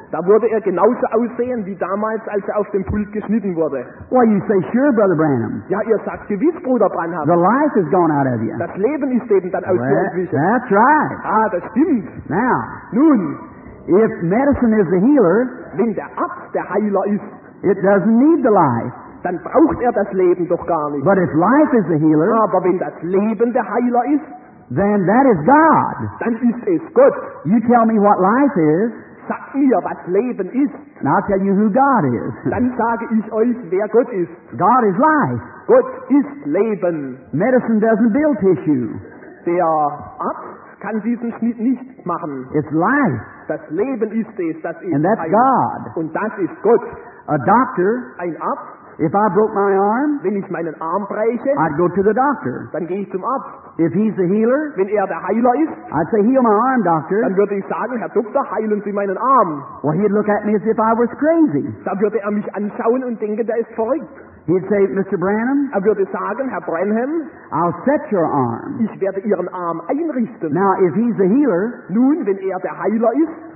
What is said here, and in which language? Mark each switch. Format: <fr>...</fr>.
<de>Da würde er genauso aussehen wie damals, als er auf dem Pult geschnitten wurde.</de> <en>Why you say sure, Brother Branham?</en> <de>Ja, ihr sagt gewiss, Bruder Branham.</de> <en>The life has gone out of you.</en> <de>Das Leben ist eben dann aus dir entwichen.</de> <en>That's right.</en> <de>Ah, das stimmt.</de> <en>Now,</en> <de>nun,</de> <en>if medicine is the healer,</en> <de>wenn der Arzt der Heiler ist,</de> <en>it doesn't need the life.</en> <de>Dann braucht er das Leben doch gar nicht.</de> <en>But if life is the healer,</en> <de>aber wenn das Leben der Heiler ist.</de> <en>Then that is God.</en> <de>Dann ist es Gott.</de> <en>You tell me what life is.</en> <de>Sag mir, was Leben ist.</de> <en>And I'll tell you who God is.</en> <de>Dann sage ich euch, wer Gott ist.</de> <en>God is life.</en> <de>Gott ist Leben.</de> <en>Medicine doesn't build tissue.</en> <de>Der Arzt kann diesen Schnitt nicht machen.</de> <en>It's life.</en> <de>Das Leben ist es, das ist.</de> <en>And that's God.</en> <de>Und das ist Gott.</de> <en>A doctor.</en> <de>Ein Arzt.</de> <en>If I broke my arm,</en> <de>wenn ich meinen Arm breche,</de> <en>I'd go to the doctor.</en> <de>Dann gehe ich zum Arzt.</de> <en>If he's the healer,</en> <de>wenn er der Heiler ist,</de> <en>I'd say, heal my arm, doctor.</en> <de>Dann würde ich sagen, Herr Doktor, heilen Sie meinen Arm.</de> <en>Well, he'd look at me as if I was crazy.</en> <de>Dann würde er mich anschauen und denken, der ist verrückt.</de> <en>He'd say, Mr. Branham,</en> <de>er würde sagen, Herr Branham,</de> <en>I'll set your arm.</en> <de>Ich werde Ihren Arm einrichten.</de> <en>Now, if he's the healer,</en> <de>nun, wenn er der Heiler ist,</de>